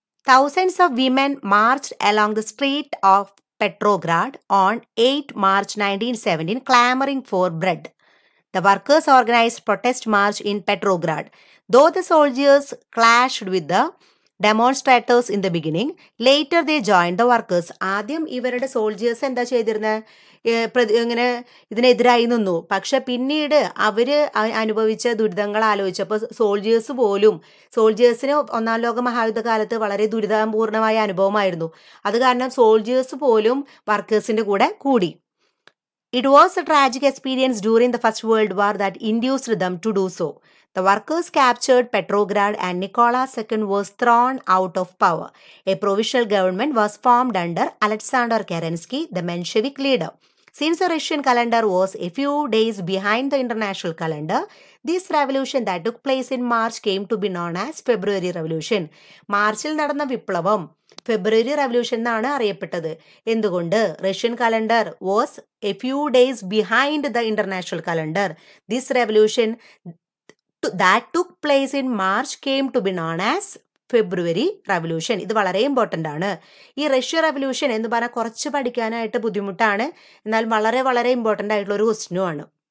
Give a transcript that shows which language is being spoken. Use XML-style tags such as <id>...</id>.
<en>Thousands of women marched along the street of Petrograd on 8 March 1917 clamoring for bread. The workers organized protest march in Petrograd. Though the soldiers clashed with the demonstrators in the beginning, later they joined the workers.</en> <ml>ആദ്യം ഇവരുടെ soldiers എന്താ ചെയ്തിരുന്നത്? ഇങ്ങനെ ഇതിനെതിരായി നിന്നു. പക്ഷെ പിന്നീട് അവര് അനുഭവിച്ച ദുരിതങ്ങൾ ആലോചിച്ചപ്പോൾ സോൾജിയേഴ്സ് പോലും, സോൾജിയേഴ്സിന് ഒന്നാം ലോക മഹായുദ്ധകാലത്ത് വളരെ ദുരിതപൂർണമായ അനുഭവമായിരുന്നു. അത് കാരണം സോൾജിയേഴ്സ് പോലും വർക്കേഴ്സിന്റെ കൂടെ കൂടി.</ml> <en>It was a tragic experience during the first world war that induced them to do so. The workers captured Petrograd and Nikola II was thrown out of power. A provisional government was formed under Alexander Kerensky, the Menshevik leader. Since the Russian calendar was a few days behind the international calendar, this revolution that took place in March came to be known as February Revolution.</en> <ml>മാർച്ചിൽ നടന്ന വിപ്ലവം ഫെബ്രുവരി revolution എന്നാണ് അറിയപ്പെട്ടത്. എന്തുകൊണ്ട്?</ml> <en>Russian calendar was a few days behind the international calendar. This revolution that took place in March came to be known as February Revolution.</en> <ml>ഇത് വളരെ important ആണ്. ഈ റഷ്യ റെവല്യൂഷൻ എന്ന് പറഞ്ഞാൽ കുറച്ച് പഠിക്കാനായിട്ട് ബുദ്ധിമുട്ടാണ്, എന്നാൽ വളരെ വളരെ ഇമ്പോർട്ടൻ്റ് ആയിട്ടുള്ള ഒരു ക്വസ്റ്റ്യൻ ആണ്.</ml>